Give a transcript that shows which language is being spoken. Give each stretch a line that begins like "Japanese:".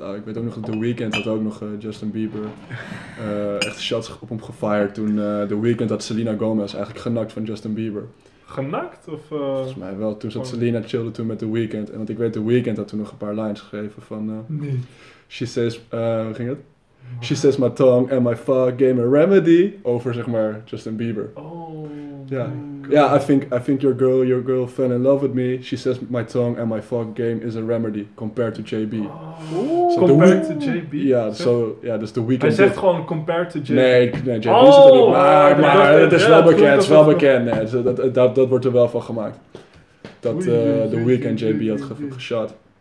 Dutch: Ik weet ook nog dat The Weeknd had ook nog Justin Bieber. Echt shots op hem gefired toen The Weeknd had Selena Gomez eigenlijk genakt van Justin Bieber. Genakt? Of, volgens mij wel. Toen zat Selena chillen toen met The Weeknd. En want ik weet, The Weeknd had toen nog een paar lines gegeven van... Nee.
English: She says...
Dutch: hoe ging het?
English: She says my tongue and my fuck game a remedy.
Dutch: Over, zeg maar, Justin Bieber. Oh, yeah.
English: Yeah, I think your girl fell in love with me. She says my tongue and my fuck game is a remedy compared to JB. Oh, so compared to JB? Yeah, so, yeah, dus The Weeknd.
Dutch: Hij zegt gewoon
English: compared to JB.
Dutch: Nee, JB zit er niet. Maar het is wel bekend, dat wordt er wel van gemaakt. Dat The Weeknd JB had geshot.